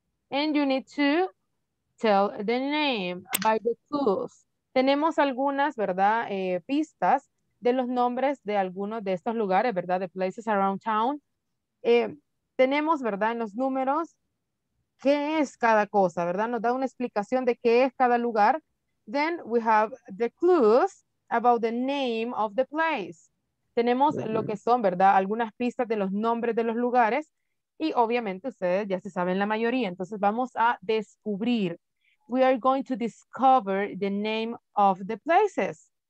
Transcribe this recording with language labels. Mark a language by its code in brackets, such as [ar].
[en] And you need to tell the name by the clues. [es] Tenemos algunas, ¿verdad? Pistas de los nombres de algunos de estos lugares, ¿verdad? [en] The places around town. [es] Tenemos, ¿verdad? En los números, ¿qué es cada cosa, verdad? Nos da una explicación de qué es cada lugar. [en] Then we have the clues about the name of the place. [es] Tenemos lo que son, ¿verdad? Algunas pistas de los nombres de los lugares. Y obviamente ustedes ya se saben la mayoría. Entonces vamos a descubrir. [en] We are going to discover the name of the places.